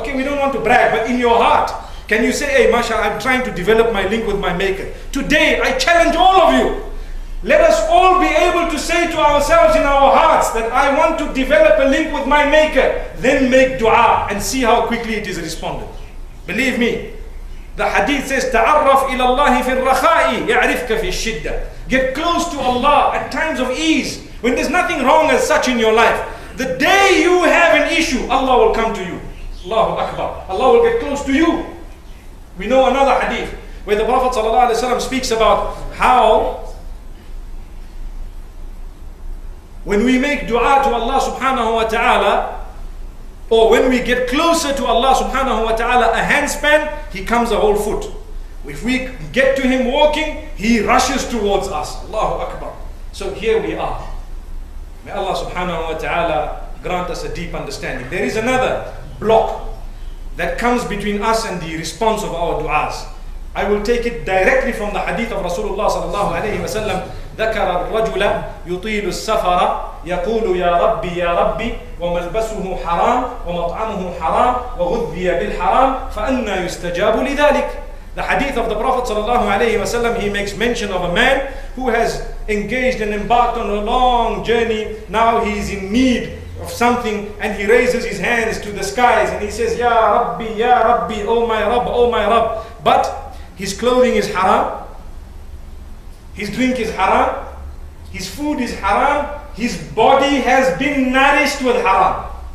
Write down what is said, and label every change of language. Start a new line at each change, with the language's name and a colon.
English: Okay, we don't want to brag, but in your heart, can you say, hey, mashallah, I'm trying to develop my link with my maker. Today, I challenge all of you. Let us all be able to say to ourselves in our hearts that I want to develop a link with my maker. Then make dua and see how quickly it is responded. Believe me. The hadith says,
Arabic: تعرف إلى الله في الرخاء يعرفك في الشدة.
English: Get close to Allah at times of ease, when there's nothing wrong as such in your life. The day you have an issue, Allah will come to you. Allahu Akbar. Allah will get close to you. We know another hadith where the Prophet sallallahu alaihi wasallam speaks about how when we make dua to Allah subhanahu wa ta'ala, or when we get closer to Allah subhanahu wa ta'ala a handspan, He comes a whole foot. If we get to Him walking, He rushes towards us. Allahu Akbar. So here we are. May Allah subhanahu wa ta'ala grant us a deep understanding. There is another block that comes between us and the response of our du'as. I will take it directly from the hadith of Rasulullah sallallahu alayhi wa sallam.
Arabic: ذكر الرجل يطيل السفر يقول يا ربي يا ربي وملبسه حرام ومطعمه حرام وغذي بالحرام فأنا يستجاب لذلك.
English: The hadith of the Prophet sallallahu alayhi wa sallam, he makes mention of a man who has engaged and embarked on a long journey. Now he is in need of something and he raises his hands to the skies and he says, Ya Rabbi, Ya Rabbi, Oh my Rabb, Oh my Rabb. But his clothing is haram, his drink is haram, his food is haram, his body has been nourished with haram.